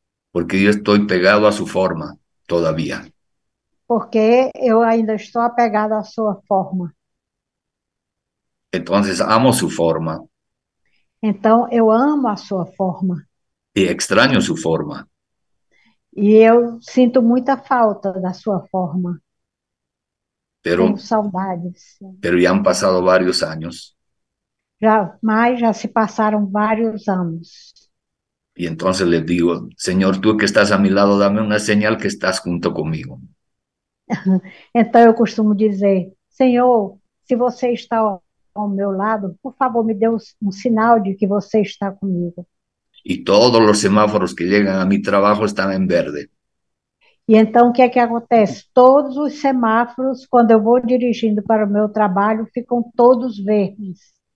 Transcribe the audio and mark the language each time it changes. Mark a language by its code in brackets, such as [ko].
[es] Porque yo estoy pegado a su forma todavía. [pt] Porque eu ainda estou apegado à sua forma. [es] Entonces amo su forma. [pt] Então, eu amo a sua forma. [es] Y extraño su forma. [pt] E eu sinto muita falta da sua forma. Tenho saudades. [es] ya han pasado varios años. [pt] Já se passaram vários anos. [es] Y entonces le digo, Señor, tú que estás a mi lado, dame una señal que estás junto conmigo. [pt] Então eu costumo dizer: Senhor, se você está ao meu lado, por favor, me dê um sinal de que você está comigo. E todos os semáforos que chegam a meu trabalho estão em verde. E então, o que é que acontece? Todos os semáforos, quando eu vou dirigindo para o meu trabalho, ficam todos verdes.